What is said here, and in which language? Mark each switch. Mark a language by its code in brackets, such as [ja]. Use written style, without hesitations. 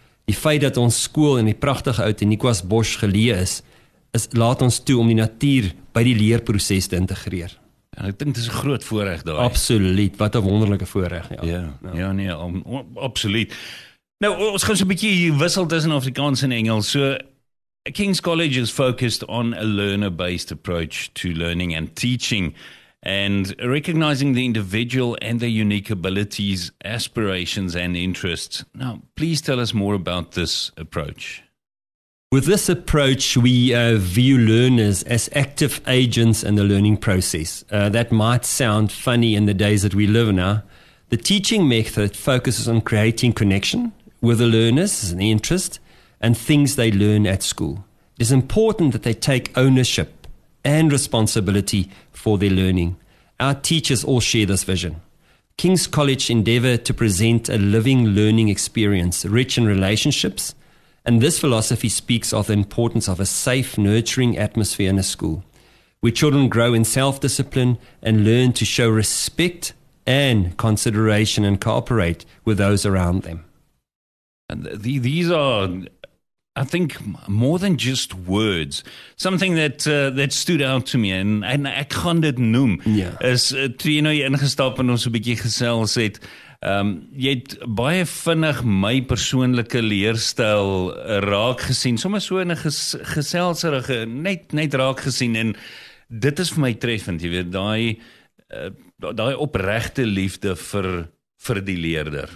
[af] Die feit dat ons skool in die pragtige ou Nikwas Bos geleë is, is laat ons toe om die natuur by die leerproses te integreer. En ek dink dit is 'n groot voorreg daai. Absoluut, wat 'n wonderlike voorreg, ja. Absoluut. Nou, ons gaan so 'n bietjie wissel tussen Afrikaans en Engels. [en] So, King's College is focused on a learner-based approach to learning and teaching and recognizing the individual and their unique abilities, aspirations, and interests. Now, please tell us more about this approach. With this approach, we view learners as active agents in the learning process. That might sound funny in the days that we live in now. The teaching method focuses on creating connection with the learners and the interest and things they learn at school. It is important that they take ownership and responsibility for their learning. Our teachers all share this vision. King's College endeavor to present a living learning experience rich in relationships, and this philosophy speaks of the importance of a safe, nurturing atmosphere in a school, where children grow in self-discipline and learn to show respect and consideration and cooperate with those around them. And these are, I think, more than just words, something that that stood out to me, [af] and ek gaan dit noem, is toe jy nou ingestap en ons 'n bietjie gesels het, jy het baie vinnig my persoonlike leerstyl raak gesien, sommer so in 'n geselserige, net raak gesien, en dit is vir my treffend, jy weet, daai opregte liefde vir die leerder.